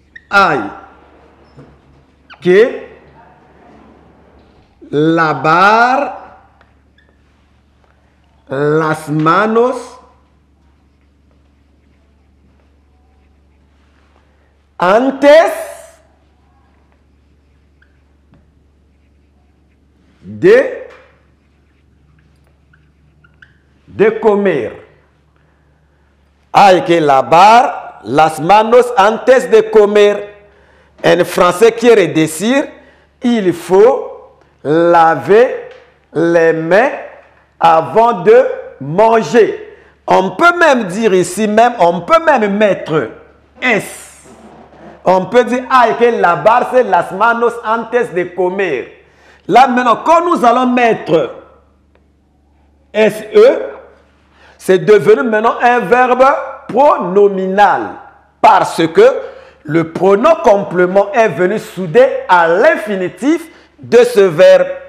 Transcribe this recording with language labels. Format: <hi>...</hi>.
<es>Hay que lavar las manos antes de comer. Hay que lavar las manos antes de comer.</es> <fr>En français</fr> <es>quiere decir,</es> <fr>il faut laver les mains avant de manger. On peut même dire ici même, on peut même mettre S. On peut dire,</fr> <es>hay que lavarse las manos antes de comer.</es> <fr>Là maintenant, quand nous allons mettre SE, c'est devenu maintenant un verbe pronominal. Parce que le pronom complément est venu soudé à l'infinitif de ce verbe.</fr>